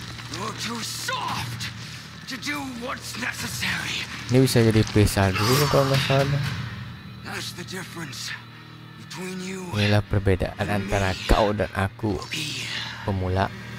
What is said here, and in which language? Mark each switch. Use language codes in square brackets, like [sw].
[en] You're too soft to do what's necessary. [id] Ini bisa jadi pisah dulu kalau nggak salah. [en] That's the difference between you. [id] Inilah perbedaan antara kau dan aku, pemula.